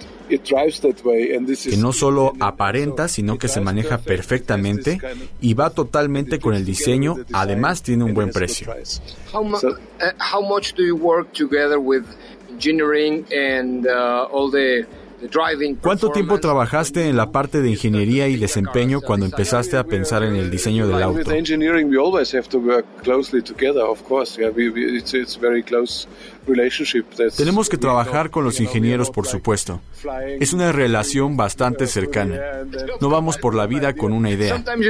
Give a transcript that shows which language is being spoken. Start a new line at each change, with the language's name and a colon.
Spanish: Que no solo aparenta, sino que se maneja perfectamente y va totalmente con el diseño. Además, tiene un buen precio.
English: How much do you work together with engineering and all the driving?
Spanish: ¿Cuánto tiempo trabajaste en la parte de ingeniería y desempeño cuando empezaste a pensar en el diseño del auto?
English: With engineering, we always have to work closely together. Of course, yeah, it's very close.
Spanish: Tenemos que trabajar con los ingenieros, por supuesto. Es una relación bastante cercana. No vamos por la vida con una idea.